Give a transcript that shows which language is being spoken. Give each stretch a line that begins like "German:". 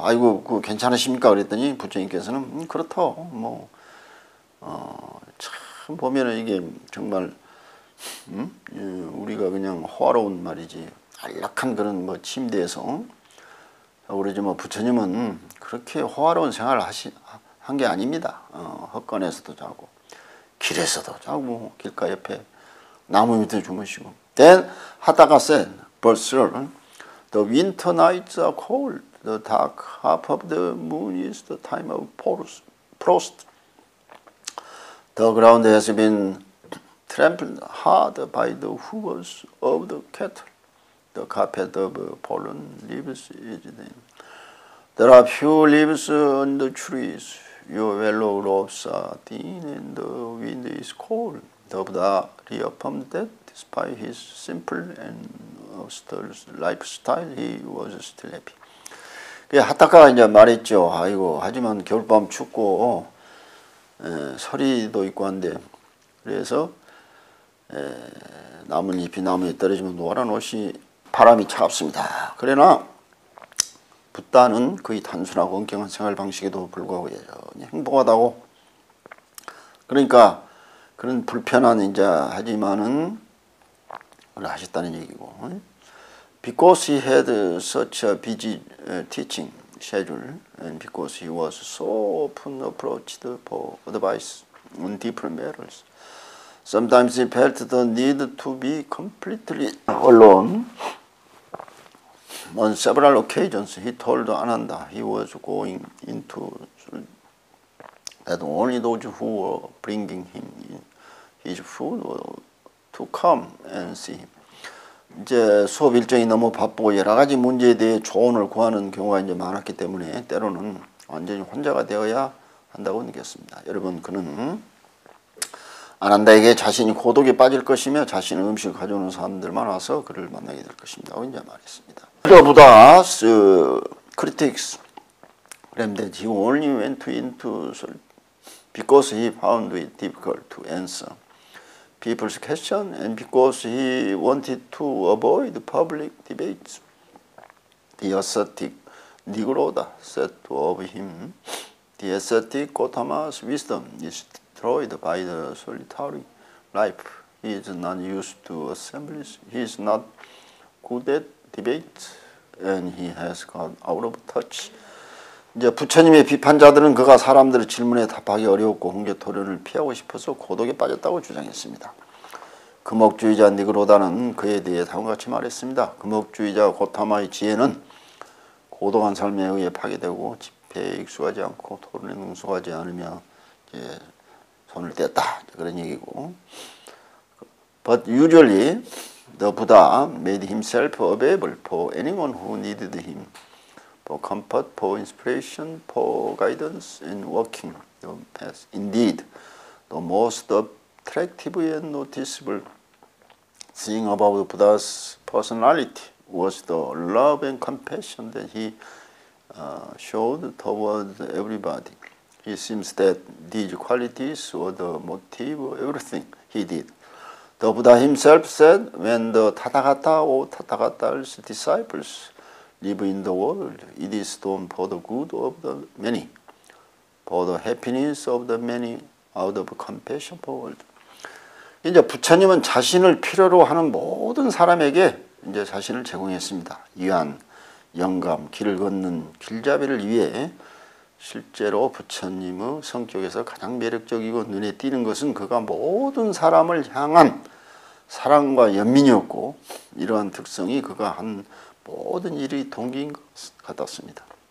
Korean: 아이고 그 괜찮으십니까? 그랬더니 부처님께서는 그렇다. 뭐 참 보면은 이게 정말 우리가 그냥 호화로운 말이지 안락한 그런 뭐 침대에서. 그러지만 부처님은 그렇게 호화로운 생활을 한 게 아닙니다. 헛건에서도 자고 길에서도 자고 길가 옆에 나무 밑에 주무시고.
English: Then Hataka said, verse 3, The winter nights are cold. The dark half of the moon is the time of frost. The ground has been trampled hard by the hooves of the cattle. The carpet of fallen leaves is thin. There are few leaves on the trees. Your yellow robes are thin and the wind is cold. The Buddha reaffirmed that despite his simple and austere lifestyle, he was still happy.
Korean: 하타카가 이제 말했죠. 아이고, 하지만 겨울밤 춥고, 서리도 있고 한데, 그래서, 나뭇 잎이 나무에 떨어지면 노란 옷이 바람이 차갑습니다. 그러나, 부다는 그의 단순하고 엄격한 생활 방식에도 불구하고 여전히 행복하다고. 그러니까, 그런 불편한, 이제, 하지만은, 그걸 하셨다는 얘기고.
English: Because he had such a busy teaching schedule, and because he was so often approached for advice on different matters, sometimes he felt the need to be completely alone. On several occasions, he told Ananda he was going into that only those who were bringing him his food to come and see him.
Korean: 이제 수업 일정이 너무 바쁘고 여러 가지 문제에 대해 조언을 구하는 경우가 이제 많았기 때문에 때로는 완전히 혼자가 되어야 한다고 느꼈습니다. 여러분, 그는 아난다에게 자신이 고독에 빠질 것이며 자신의 음식을 가져오는 사람들만 와서 그를 만나게 될 것입니다. 이제 말했습니다. 그러보다
English: critics, claimed that he only went into because he found it difficult to answer people's question and because he wanted to avoid public debates. The ascetic Nigrodha said of him, the ascetic Gotama's wisdom is destroyed by the solitary life. He is not used to assemblies. He is not good at debates and he has got out of touch.
Korean: 이제 부처님의 비판자들은 그가 사람들의 질문에 답하기 어려웠고 홍계 토론을 피하고 싶어서 고독에 빠졌다고 주장했습니다. 금옥주의자 니그로다는 그에 대해 다음과 같이 말했습니다. 금옥주의자 고타마의 지혜는 고독한 삶에 의해 파괴되고 집회에 익숙하지 않고 토론에 능숙하지 않으며 이제 손을 뗐다. 그런 얘기고.
English: But usually the Buddha made himself available for anyone who needed him. For comfort, for inspiration, for guidance in walking the path. Indeed, the most attractive and noticeable thing about Buddha's personality was the love and compassion that he showed towards everybody. It seems that these qualities were the motive of everything he did. The Buddha himself said, when the Tathagata or Tathagata's disciples live in the world, it is done for the good of the many, for the happiness of the many, out of compassion for the world.
Korean: 이제 부처님은 자신을 필요로 하는 모든 사람에게 이제 자신을 제공했습니다. 위안, 영감, 길을 걷는 길잡이를 위해 실제로 부처님의 성격에서 가장 매력적이고 눈에 띄는 것은 그가 모든 사람을 향한 사랑과 연민이었고 이러한 특성이 그가 한 모든 일이 동기인 것 같았습니다.